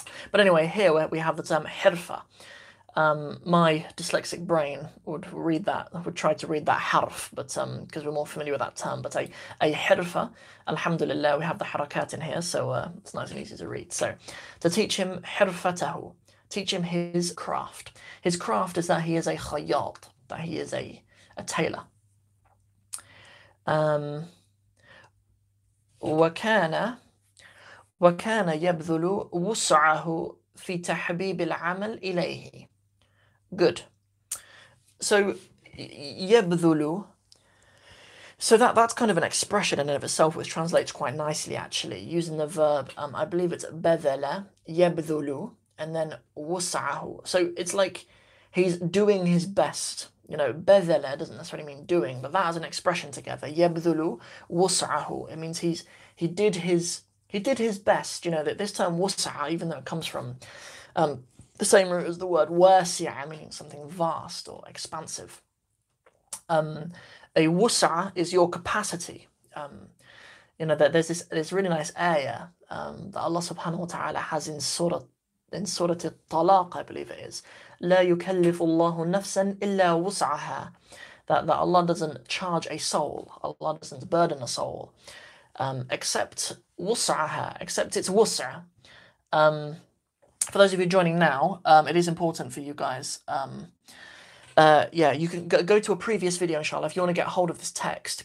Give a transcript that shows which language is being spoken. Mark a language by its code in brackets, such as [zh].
[en] But anyway, here we have the term hirfa. My dyslexic brain would read that, would try to read that harf, but because we're more familiar with that term. But a hirfa, alhamdulillah, we have the harakat in here, so it's nice and easy to read. So to teach him hirfatahu, teach him his craft. His craft is that he is a khayyat, that he is a tailor. [ar] وكان يبذل وسعه في تحبيب العمل إليه. [en] Good. So [ar] يبذل. [en] So that's kind of an expression in and of itself, which translates quite nicely, actually, using the verb, I believe it's [ar] bethele, yebdhulu, [en] and then wusahu. So it's like he's doing his best. You know, bethele doesn't necessarily mean doing, but that is an expression together. [ar] Yebdhulu wusahu. [en] It means he did his best. You know, that this term wusah, even though it comes from the same root as the word wasi'a, meaning something vast or expansive. A wusa is your capacity. You know that there's this really nice ayah that Allah subhanahu wa ta'ala has in surah at-Talaq, I believe it is. [ar] لا يكلف الله نفسا إلا وسعها. [en] That Allah doesn't charge a soul. Allah doesn't burden a soul, except wusaha, except it's wusa. For those of you joining now, it is important for you guys. You can go to a previous video, inshallah, if you want to get hold of this text.